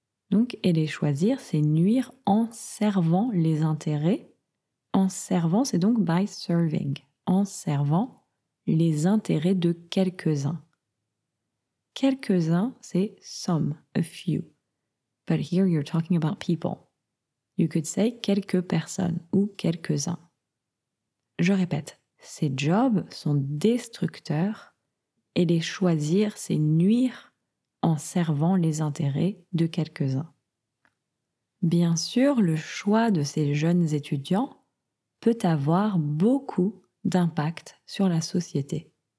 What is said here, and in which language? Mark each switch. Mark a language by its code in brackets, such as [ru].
[fr] Donc, et les choisir, c'est nuire en servant les intérêts. En servant, c'est donc [en] by serving. [fr] En servant les intérêts de quelques-uns. Quelques-uns, c'est [en] some, a few. But here you're talking about people. You could say [fr] quelques personnes ou quelques-uns. Je répète, ces jobs sont destructeurs et les choisir, c'est nuire en servant les intérêts de quelques-uns. Bien sûr, le choix de ces jeunes étudiants peut avoir beaucoup d'impact sur la société.